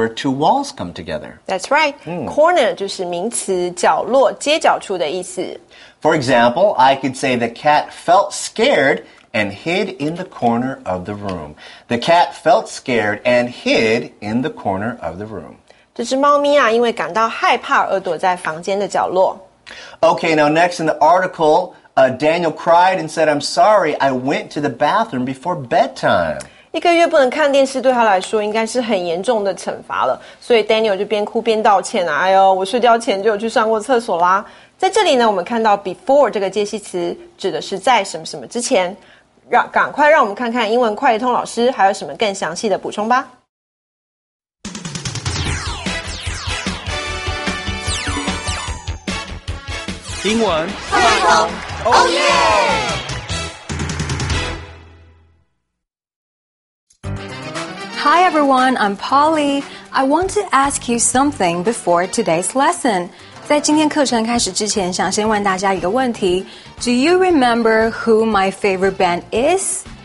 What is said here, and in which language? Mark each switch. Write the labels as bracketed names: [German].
[English] where two walls come together. That's right.、 [Chinese] Mm. Corner 就是名词角落、街角处的意思。 [English] For example, I could say the cat felt scared and hid in the corner of the room. The cat felt scared and hid in the corner of the room. [Chinese] 这只猫咪啊，因为感到害怕而躲在房间的角落。 [English] Okay, now next in the article... Daniel cried and said, I'm sorry, I went to the bathroom before bedtime. [Chinese] 一个月不能看电视对他来说应该是很严重的惩罚了。所以 Daniel 就边哭边道歉啊，哎呦，我睡觉前就有去上过厕所啦。在这里呢，我们看到 before 这个介系词指的是在什么什么之前。赶快让我们看看英文快译通老师还有什么更详细的补充吧。英文 [English] 快译通Oh, yeah! Hi everyone, I'm Polly. I want to ask you something before today's lesson. [Chinese] 在今天课程开始之前想先问大家一个问题。 [English] Do you remember who my favorite band is?